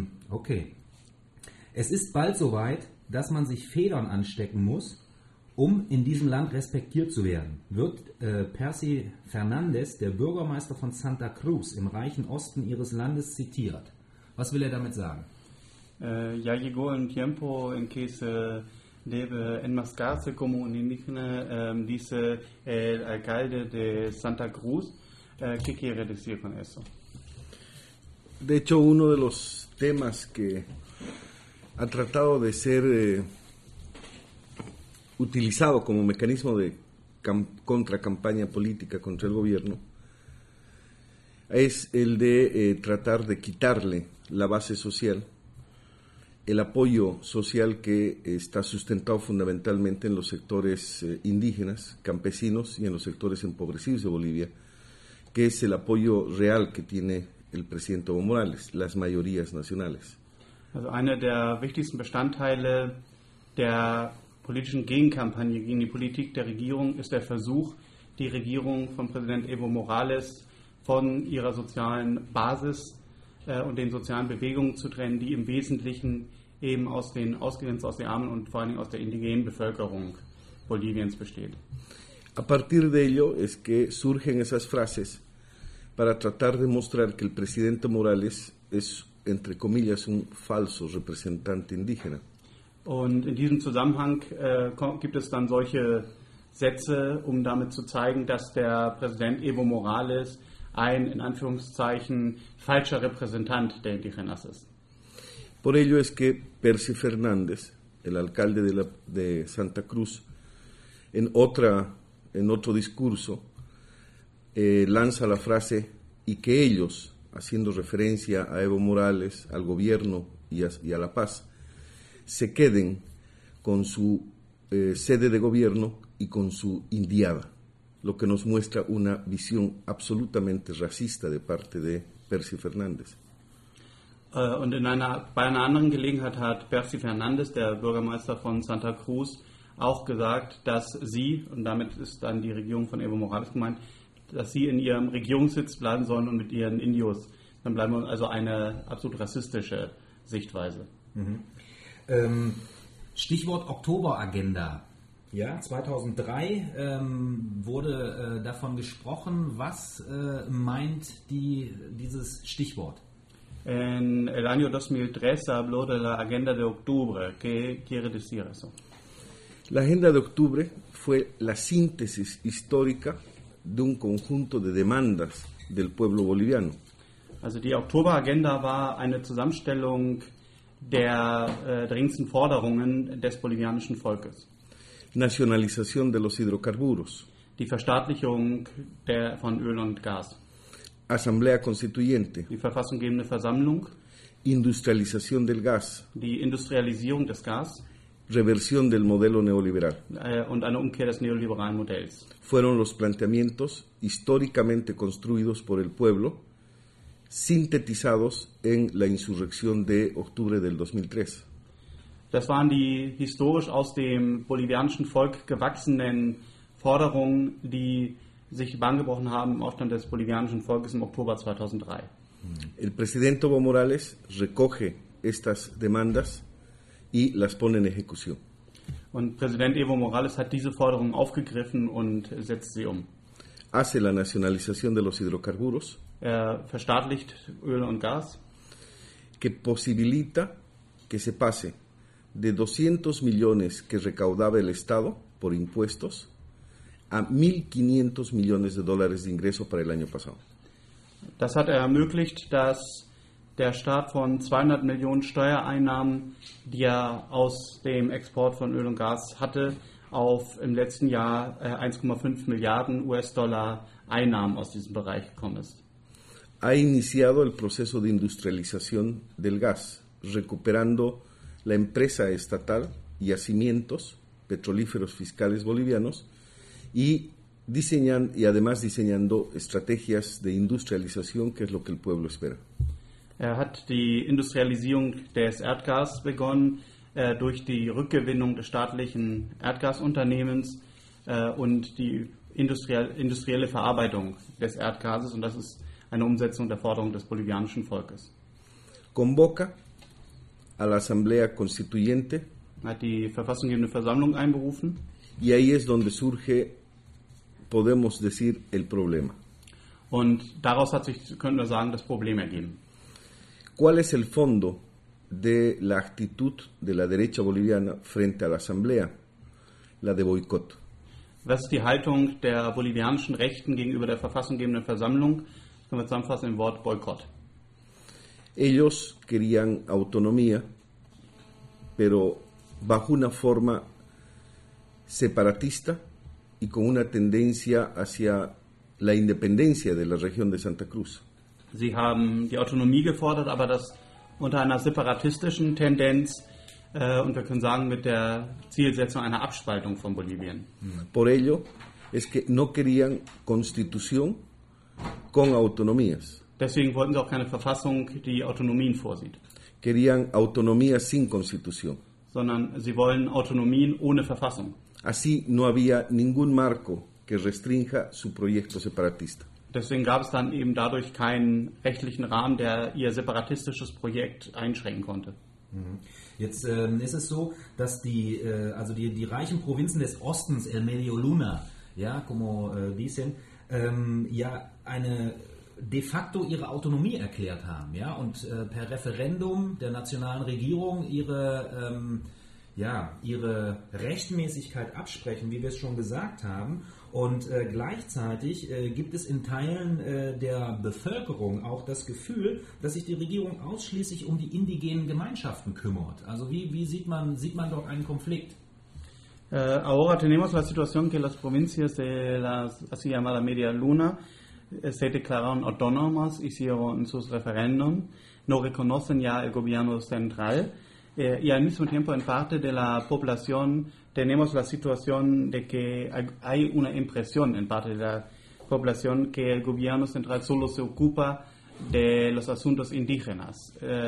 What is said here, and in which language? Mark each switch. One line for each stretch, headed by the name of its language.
English: Okay.
German: Es ist bald soweit, dass man sich Federn anstecken muss, um in diesem Land respektiert zu werden, wird Percy Fernandez, der Bürgermeister von Santa Cruz im reichen Osten ihres Landes, zitiert. Was will er damit sagen?
Spanish: Ya llegó el tiempo en que se debe enmascarse como un indígena, dice el alcalde de Santa Cruz. ¿Qué quiere decir con eso? De hecho, uno de los temas que ha tratado de ser utilizado como mecanismo de contra campaña política contra el gobierno es el de tratar de quitarle la base social, el apoyo social que está sustentado fundamentalmente en los sectores indígenas, campesinos y en los sectores empobrecidos de Bolivia, que es el apoyo real que tiene el presidente Evo Morales, las mayorías nacionales.
German: Also einer der wichtigsten Bestandteile der politischen Gegenkampagne gegen die Politik der Regierung ist der Versuch, die Regierung von Präsident Evo Morales von ihrer sozialen Basis und den sozialen Bewegungen zu trennen, die im Wesentlichen eben aus den ausgegrenzten, aus den Armen und vor allen Dingen aus der indigenen Bevölkerung Boliviens besteht.
Spanish: A partir de ello es que surgen esas frases para tratar de mostrar que el presidente Morales es, entre comillas, un falso representante indígena.
German: Und in diesem Zusammenhang gibt es dann solche Sätze, um damit zu zeigen, dass der Präsident Evo Morales ein, in Anführungszeichen, falscher Repräsentant der Indigenas ist.
Spanish: Por ello es que Percy Fernández, el alcalde de Santa Cruz, en otro discurso, lanza la frase y que ellos, haciendo referencia a Evo Morales, al gobierno y a La Paz, se queden con su sede de gobierno y con su indiada, lo que nos muestra una visión absolutamente racista de parte de Percy Fernández.
German: Und in einer, bei einer anderen Gelegenheit hat Percy Fernández, der Bürgermeister von Santa Cruz, auch gesagt, dass sie, und damit ist dann die Regierung von Evo Morales gemeint, dass sie in ihrem Regierungssitz bleiben sollen und mit ihren Indios. Dann bleiben wir also eine absolut rassistische Sichtweise. Mhm. Stichwort Oktoberagenda. Ja, 2003 wurde davon gesprochen. Was meint dieses Stichwort?
Spanish: En el año 2003 habló de la Agenda de Octubre. ¿Qué quiere decir eso? La Agenda de Octubre fue la síntesis histórica de un conjunto de demandas del pueblo boliviano.
German: Also die Oktoberagenda war eine Zusammenstellung der dringendsten Forderungen des bolivianischen Volkes.
Spanish: Nacionalización de los hidrocarburos.
German: Die Verstaatlichung von Öl und Gas.
Spanish: Asamblea Constituyente.
German: Die verfassungsgebende Versammlung.
Spanish: Industrialización del gas.
German: Die Industrialisierung des Gas.
Spanish: Reversión del modelo neoliberal.
German: Und eine Umkehr des neoliberalen Modells.
Spanish: Fueron los planteamientos históricamente construidos por el pueblo, sintetizados en la insurrección de octubre del 2003.
German: Das waren die historisch aus dem bolivianischen Volk gewachsenen Forderungen, die sich bahngebrochen haben im Aufstand des bolivianischen Volkes im Oktober 2003.
Spanish: El presidente Evo Morales recoge estas demandas y las pone en ejecución.
German: Und Präsident Evo Morales hat diese Forderungen aufgegriffen und setzt sie um.
Spanish: Hace la nacionalización de los hidrocarburos.
German: Er verstaatlicht Öl und Gas.
Spanish: Que posibilita que se pase de 200 millones que recaudaba el Estado por impuestos a 1.500 millones de dólares de ingreso para el año pasado.
German: Das hat er ermöglicht, dass der Staat von 200 Millionen Steuereinnahmen, die er aus dem Export von Öl und Gas hatte, auf im letzten Jahr 1,5 Milliarden US-Dollar Einnahmen aus diesem Bereich gekommen ist.
Spanish: Ha iniciado el proceso de industrialización del gas, recuperando la empresa estatal Yacimientos, petrolíferos fiscales bolivianos y diseñan, y además diseñando estrategias de industrialización, que es lo que el pueblo espera.
German: Hat die Industrialisierung des Erdgas begonnen durch die Rückgewinnung des staatlichen Erdgasunternehmens und die industrielle Verarbeitung des Erdgases, und das ist eine Umsetzung der Forderung des bolivianischen Volkes.
Spanish: Convoca a la Asamblea Constituyente,
German: hat die verfassungsgebende Versammlung einberufen,
Spanish: y ahí es donde surge, podemos decir, el problema.
German: Und daraus hat sich, könnten wir sagen, das Problem ergeben.
Spanish: ¿Cuál es el fondo de la actitud de la derecha boliviana frente a la Asamblea? La de boicot.
German: Was ist die Haltung der bolivianischen Rechten gegenüber der verfassungsgebenden Versammlung? Das können wir zusammenfassen im Wort Boykott.
Spanish: Ellos querían autonomía, pero bajo una forma separatista y con una tendencia hacia la independencia de la región de Santa Cruz.
German: Sie haben die Autonomie gefordert, aber das unter einer separatistischen Tendenz und wir können sagen mit der Zielsetzung einer Abspaltung von Bolivien.
Spanish: Por ello es que no querían constitución con autonomías.
German: Deswegen wollten sie auch keine Verfassung, die Autonomien vorsieht.
Spanish: Querían autonomía sin constitución.
German: Sondern sie wollen Autonomien ohne Verfassung.
Spanish: Así no había ningún marco que restrinja su proyecto separatista.
German: Deswegen gab es dann eben dadurch keinen rechtlichen Rahmen, der ihr separatistisches Projekt einschränken konnte. Jetzt ist es so, dass die reichen Provinzen des Ostens, El Medio Luna, ja,
Spanish: como dicen,
German: ja, eine de facto ihre Autonomie erklärt haben, ja, und per Referendum der nationalen Regierung ihre Rechtmäßigkeit absprechen, wie wir es schon gesagt haben. Und gleichzeitig gibt es in Teilen der Bevölkerung auch das Gefühl, dass sich die Regierung ausschließlich um die indigenen Gemeinschaften kümmert. Also wie sieht man dort einen Konflikt?
Spanish: Ahora tenemos la situación que las provincias de las así llamada Media Luna se declararon autónomas, hicieron sus referéndum, no reconocen ya el gobierno central. Y al mismo tiempo, en parte de la población, tenemos la situación de que hay una impresión en parte de la población que el gobierno central solo se ocupa de los asuntos indígenas.